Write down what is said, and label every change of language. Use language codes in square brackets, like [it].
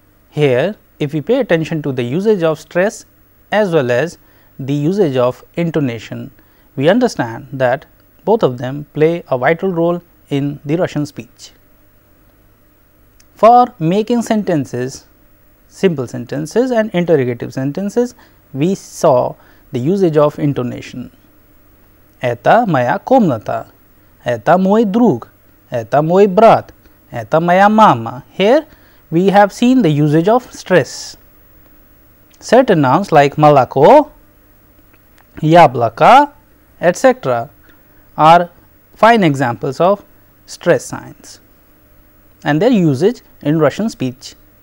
[en] Here, if we pay attention to the usage of stress as well as the usage of intonation, we understand that both of them play a vital role in the Russian speech. For making sentences, simple sentences and interrogative sentences, we saw the usage of intonation. [ru] Это моя комната, это мой друг, это мой брат, это моя мама. [en] Here, we have seen the usage of stress. Certain nouns like [ru] молоко, яблоко, [en] etc. are fine examples of stress signs and their usage in Russian speech.